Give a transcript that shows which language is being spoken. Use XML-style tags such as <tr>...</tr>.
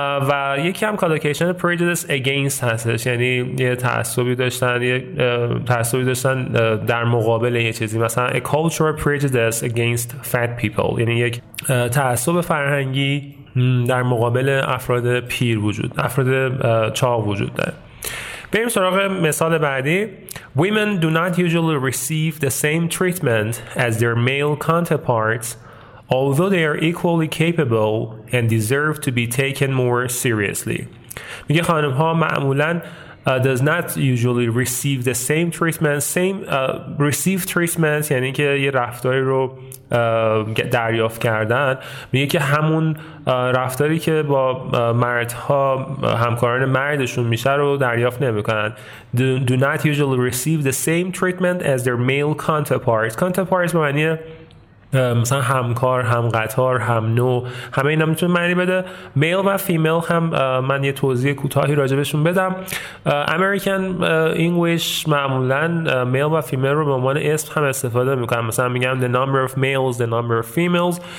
<fa>و یکی هم کالوکیشن prejudice against هستش، یعنی یه تعصبی داشتن در مقابل یه چیزی، مثلا</fa> <en>a cultural prejudice against fat people</en> <fa>یعنی یک تعصب فرهنگی در مقابل افراد پیر وجود، افراد چاق وجود داره. بریم سراغ مثال بعدی.</fa> <en>Women do not usually receive the same treatment as their male counterparts although they are equally capable and deserve to be taken more seriously.</en> <fa>میگه خانم ها معمولا</fa> <en>does not usually receive the same treatment.</en> <fa>Receive treatment یعنی که یه رفتاری رو دریافت کردن، میگه که همون رفتاری که با مردها همکاران مردشون میشه رو دریافت نمیکنن.</fa> <en>Do not usually receive the same treatment as their male counterparts.</en> <fa>Counterparts به معنی مثلا همکار، همقطار، همنوع، همه اینا میتونه معنی بده. میل و فیمیل هم من یه توضیح کوتاهی راجبشون بدم. امریکن انگلیش معمولا میل و فیمیل رو به عنوان اسم هم استفاده میکنم، مثلا میگم</fa> <en>the number of males, the number of females.</en>